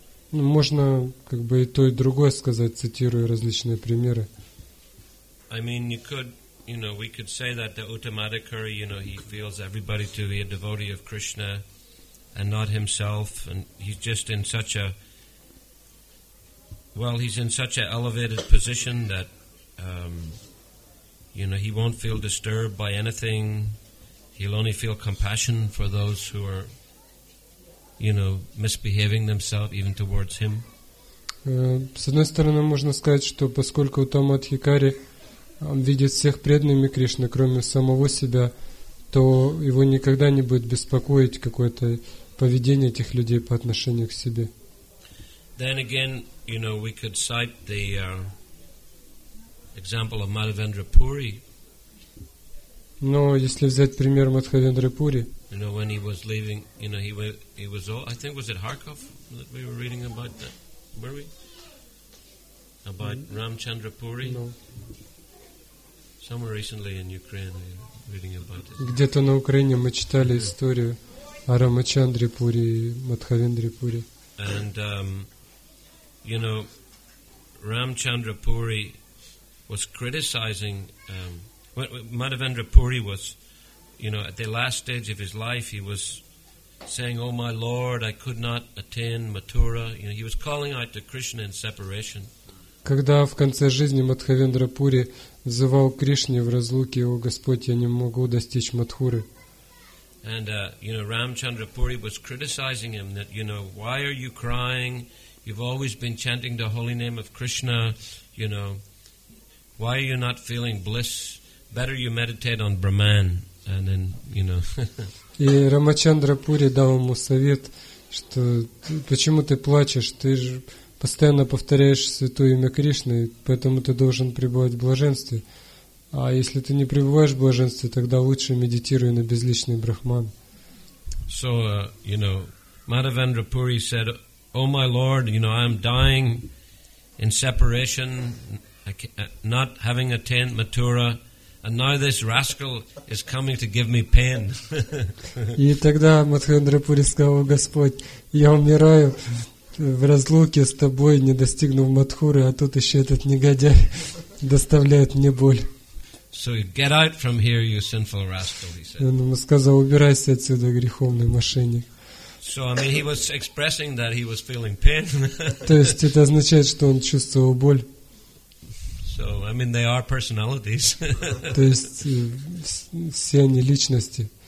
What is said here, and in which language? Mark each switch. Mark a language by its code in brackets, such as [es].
[ru] Можно как бы и то, и другое сказать, цитируя различные примеры. [en] You know, we could say that the Uttamadhikari, you know, he feels everybody to be a devotee of Krishna and not himself, and he's just in such a, well, he's in such an elevated position that, you know, he won't feel disturbed by anything. He'll only feel compassion for those who are, you know, misbehaving themselves even towards him. [ru] С одной стороны, можно сказать, что поскольку Uttamadhikari он видит всех преданными Кришны, кроме самого себя, то его никогда не будет беспокоить какое-то поведение этих людей по отношению к себе. [en] Then again, you know, we could cite the example of Madhavendra Puri. [ru] Но если взять пример Мадхавендры Пури, [en] you know, when he was leaving, you know, he was all, I think, was it Kharkov that we were reading about that, were we? About Ramchandra Puri? No. Somewhere recently in Ukraine, reading about it. [ru] Где-то на Украине мы читали историю о Рамачандре Пури, Мадхавендре Пури. [en] And you know, Рамачандра Пури was criticizing Мадхавендра Пури was, you know, at the last stage of his life, he was saying, "Oh my Lord, I could not attain Mathura." You know, he was calling out to Krishna in separation. [ru] Когда в конце жизни Мадхавендра Пури взывал Кришне в разлуке: «О Господь, я не могу достичь Матхуры». [en] And, you know, Рамачандра Пури was criticizing him that, you know, why are you crying? You've always been chanting the holy name of Krishna, you know. Why are you not feeling bliss? Better you meditate on Brahman. And then, you know. [ru] И Рамачандра Пури дал ему совет, что почему ты плачешь? Ты же постоянно повторяешь святое имя Кришны, поэтому ты должен пребывать в блаженстве. А если ты не пребываешь в блаженстве, тогда лучше медитируй на безличный Брахман. [en] So, you know, Madhavendra Puri said, "Oh my Lord, you know, I'm dying in separation, not having attained Mathura, and now this rascal is coming to give me pain." [ru] И тогда Мадхавендра Пури сказал: "Господь, я умираю в разлуке с тобой, не достигнув Матхуры, а тут еще этот негодяй доставляет мне боль." [en] So get out from here, you sinful rascal, he said. [ru] Он ему сказал: "Убирайся отсюда, греховный мошенник." [en] So, I mean, he was expressing that he was feeling pain. [ru] То есть это означает, что он чувствовал боль. [en] So, I mean, they are personalities. [ru] То есть все они личности.